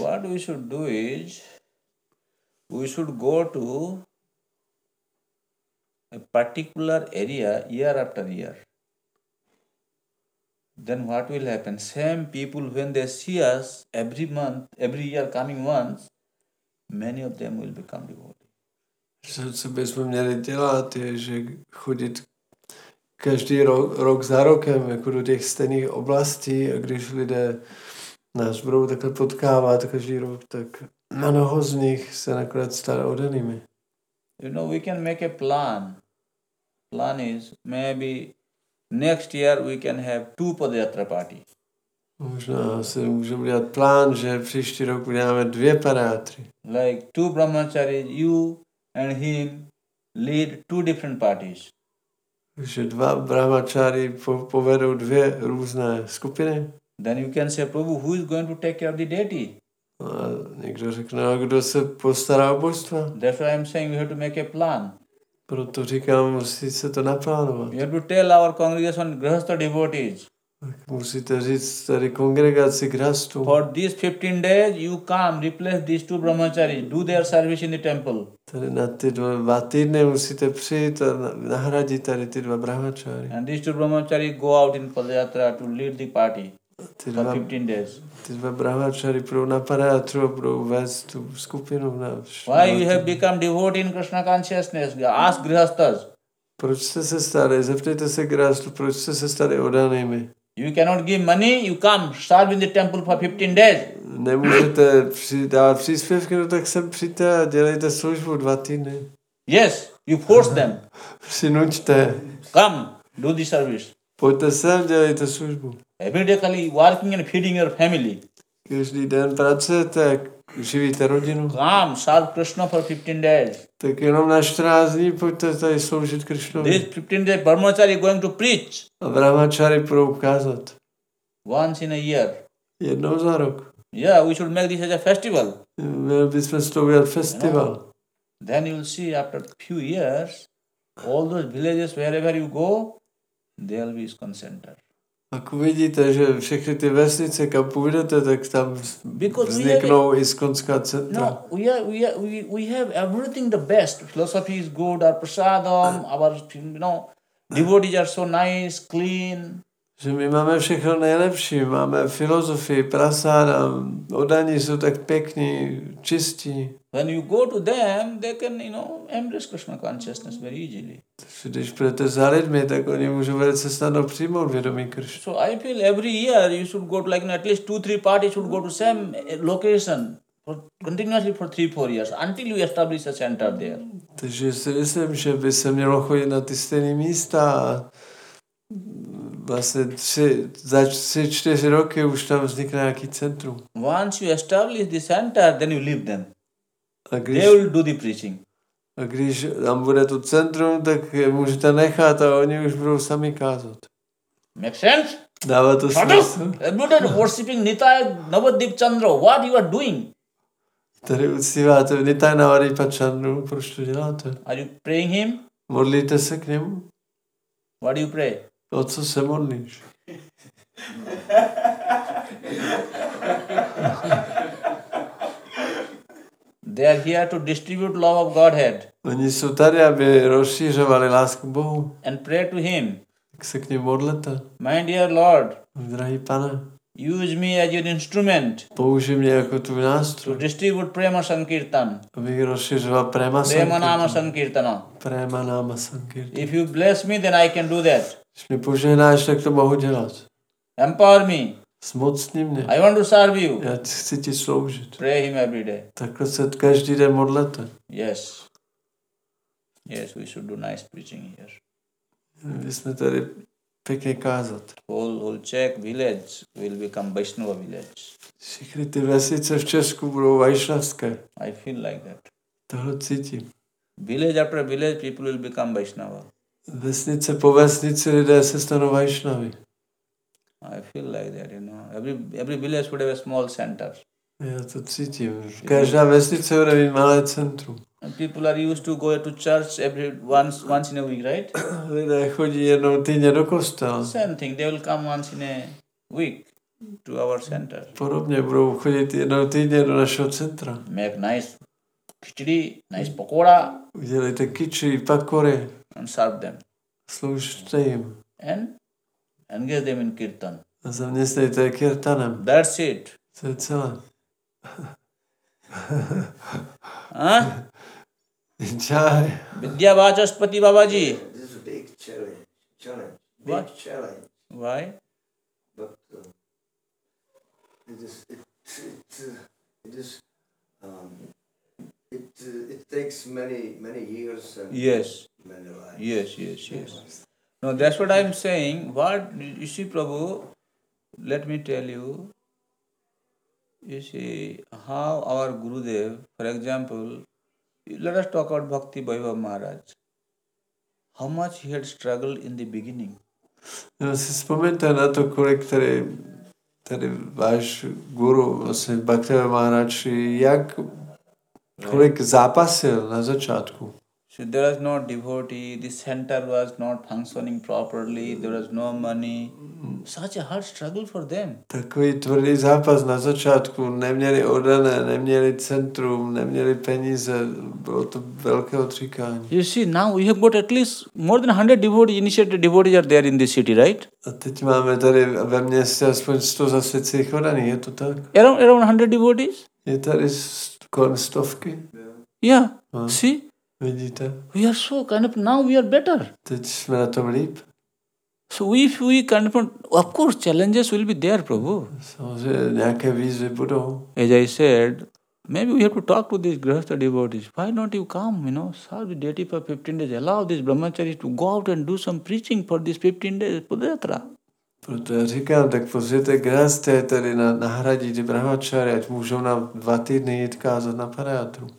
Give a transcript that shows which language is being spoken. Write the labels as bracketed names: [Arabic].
[English] What we should do is, we should go to a particular area year after year. Then what will happen? Same people, when they see us every month, every year coming once, many of them will become devotees. [Czech] Co bychom měli dělat, je, že chodit každý rok za rokem jako do těch stejných oblastí a když lidé nás budou takhle potkávat každý rok, tak mnoho z nich se nakonec stane oddanými. [English] You know, we can make a plan. Plan is, maybe next year we can have 2 Padayatra party. [Czech] Možná se můžeme udělat plán, že příští rok uděláme 2 Padayatry. [English] Like 2 brahmacharis, you and him lead 2 different parties. [Czech] Že 2 brahmachari povedou 2 různé skupiny. [English] Then you can say, Prabhu, who is going to take care of the deity? [Czech] A někdo řekne, a kdo se postará o božstva? [English] That's why I'm saying we have to make a plan. [Czech] Proto říkám, musíte to naplánovat. [English] You have to tell our congregation, grihastha devotees. [Czech] Musíte říct tady kongregaci grihastu. [English] For these 15 days, you come, replace these two brahmacharis, do their service in the temple. [Czech] Tady na ty dva týdny musíte přijít a nahradit tady ty dva brahmacharis. [English] And these two brahmacharis go out in padayatra to lead the party for 15 days. [Czech] Ty dva brahmacharis půjdou na padayatru a budou vést tu skupinu na všem. [English] Why you have become devotee in Krishna consciousness? Ask grihasthas. [Czech] Proč jste se stali? Zeptejte se grihasthu, proč jste se stali oddanými? [English] You cannot give money, you come, serve in the temple for 15 days. [Czech] Nemůžete dávat příspěvky, no tak sem přijďte a dělejte službu dva týdny. [English] Yes, you force them. [Czech] Přinučte. [English] Come, do the service. [Czech] Pojďte sem, dělejte službu. [English] Every day kali working and feeding your family. [Czech] Každý den pracujete, živíte rodinu. [English] Come, serve Krishna for 15 days. [Czech] Tak jenom na 14 dní pojďte tady sloužit Krishnovi. [English] This 15 days brahmachari going to preach. [Czech] A brahmachari budou ukázat. [English] Once in a year. [Czech] Jednou za rok. [English] Yeah, we should make this as a festival. [Czech] Měli bychom s toho udělat festival. [English] Then you will see after few years, all those villages wherever you go, there will be ISKCON center. [Czech] Ak uvidíte, že všechny ty vesnice, kam půjdete, tak tam vzniknou ISKCONská centra. [English] No, we have everything the best. Philosophy is good, our prasadam, our, you know, devotees are so nice, clean. [Czech] Že my máme všechno nejlepší, máme filozofii, prasada, oddaní jsou tak pěkní, čistí. [English] When you go to them, they can, you know, embrace Krishna consciousness very easily. [Czech] Když půjdete za lidmi, tak oni můžou velice snadno přijmout vědomí Krishna. [English] So I feel every year you should go to like, you know, at least 2-3 parties should go to same location. Continuously for 3-4 years until you establish a center there. [Czech] Takže si myslím, že by se mělo chodit na ty stejné místa. Vlastně za 3-4 roky už tam vznikne nějaký centrum. [English] Once you establish the center, then you leave them. [Czech] Když, [English] they will do the preaching. [Czech] A když tam bude to centrum, tak je můžete nechat a oni už budou sami kázat. [English] Make sense? [Czech] Dává to smysl. [English] You are worshipping Nitai Navadip Chandra. What you are doing? [Czech] Tady uctíváte Nitai Navadip Chandra. Proč to děláte? [English] Are you praying him? [Czech] Modlíte se k němu? [English] What do you pray? [Czech] O co se modlíš? [English] They are here to distribute love of Godhead. [Czech] Oni jsou tady, aby rozšířovali lásku Bohu. [English] And pray to him. [Czech] Tak se k ním modlete. [English] My dear Lord. [Czech] Drahý pane. [English] Use me as your instrument. [Czech] Použij mě jako tvůj nástroj. [English] To distribute prema sankirtan. [Czech] Abych rozšířoval prema sankirtan. Prema náma sankirtana. Prema náma sankirtan. [English] If you bless me, then I can do that. [Czech] Když mě požehnáš, tak to mohu dělat. [English] Empower me. [Czech] Zmocni mě. [English] I want to serve you. [Czech] Já chci ti sloužit. [English] Pray him every day. [Czech] Takhle se každý den modlete. [English] Yes. Yes, we should do nice preaching here. [Czech] My jsme tady pěkně kázat. [English] Whole Czech village will become Vaishnava village. [Czech] Všechny ty vesice v Česku budou vaishnavské. [English] I feel like that. [Czech] Tohle cítím. [English] Village after village people will become Vaishnava. [Czech] Vesnice po vesnici lidé se stanou Vaishnavy. [English] I feel like that, you know. Every village would have a small center. [Czech] Já to cítím. Každá vesnice bude mít malé centrum. [English] And people are used to go to church every once in a week, right? [Czech] Lidé chodí jednou týdně do kostela. [English] Same thing. They will come once in a week to our center. [Czech] Podobně budou chodit jednou týdně do našeho centra. [English] Make nice khichdi, nice pakora. [Czech] Udělejte khichdi, pakore. [English] And serve them. [Czech] Služte jim. [English] And engage them in kirtan. [Czech] A zaměstnejte je kirtanem. [English] That's it. [Czech] To je celé. [English] Jai. Vidya Vachaspati Babaji. This is a big challenge. Big what? Challenge. Why? But it takes many years and yes. Many lives. Yes. No, that's what I'm saying. What, you see, Prabhu, let me tell you. You see, how our Gurudev, for example, let us talk about Bhakti Vaibhav Maharaj. How much he had struggled in the beginning. [Czech] No, si vzpomeňte na to, kolik tady váš guru, vlastně Bhakti Vaibhav Maharaj, jak, kolik zápasil na začátku. [English] So there was no devotee, the center was not functioning properly, there was no money. Such a hard struggle for them. [Czech] Takový tvrdý zápas na začátku, neměli oddané, neměli centrum, neměli peníze, bylo to velké odříkání. [English] You see, now we have got at least more than 100 devotees, initiated devotees are there in this city, right? [Czech] A teď máme tady ve městě aspoň 100 zasvěcených oddaných, je to tak? [English] Around 100 devotees? [Czech] Je tady kolem stovky? [English] Yeah. See? [Czech] Vidíte? [English] We are so kind of, now we are better. [Czech] Teď jsme na tom líp. [English] So if we kind of course challenges will be there, Prabhu. [Czech] Samozřejmě nějaké výzvy budou. [English] As I said, maybe we have to talk to these grihastha devotees. Why don't you come, you know, serve the deity for 15 days. Allow these brahmacharis to go out and do some preaching for these 15 days. [Czech] Podyatra. Proto já říkám, tak pozvěte grihastha tady na nahradit ty brahmacharis, ať můžou na 2 týdny jít kázat na parátru.